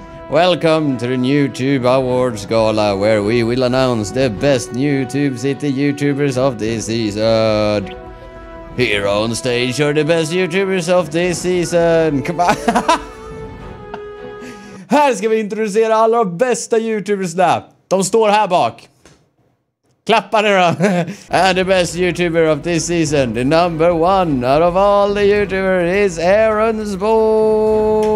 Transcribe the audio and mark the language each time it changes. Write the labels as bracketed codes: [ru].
[en] Welcome to the YouTube Awards Gala, where we will announce the best YouTube City YouTubers of this season. Here on stage are the best YouTubers of this season. Come on. [sv] Här ska vi introducera alla de bästa YouTubers där. De står här bak. Klappa nu då. [en] And the best YouTuber of this season, the number one out of all the YouTubers, is Aaron Sports.